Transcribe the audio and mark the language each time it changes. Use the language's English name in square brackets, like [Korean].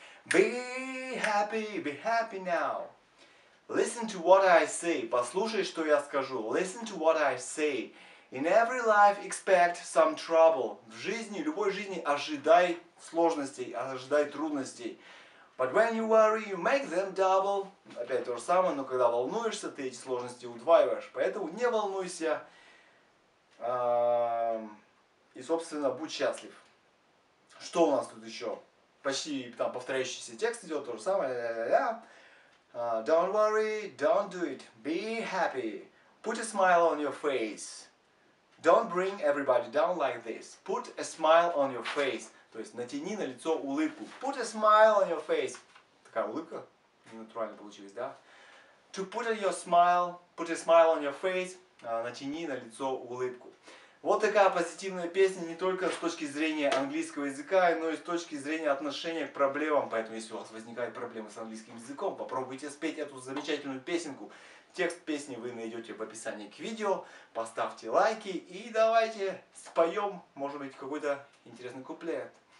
[English] Be happy now. Listen to what I say. [Russian] Послушай, что я скажу. [English] Listen to what I say. In every life expect some trouble. [Russian] В жизни, любой жизни ожидай сложностей, ожидай трудностей. [English] But when you worry, you make them double. [Russian] Опять то же самое, но когда волнуешься, ты эти сложности удваиваешь. Поэтому не волнуйся. И, собственно, будь счастлив. Что у нас тут еще? Почти там повторяющийся текст идет, то же самое. [English] Don't worry, don't do it. Be happy. Put a smile on your face. Don't bring everybody down like this. Put a smile on your face. [Russian] То есть натяни на лицо улыбку. [English] Put a smile on your face. [Russian] Такая улыбка натурально получилась, да? [English] To put on your smile, put a smile on your face. [Russian] Натяни на лицо улыбку. Вот такая позитивная песня не только с точки зрения английского языка, но и с точки зрения отношения к проблемам. Поэтому, если у вас возникают проблемы с английским языком, попробуйте спеть эту замечательную песенку. Текст песни вы найдете в описании к видео. Поставьте лайки и давайте споем, может быть, какой-то интересный куплет.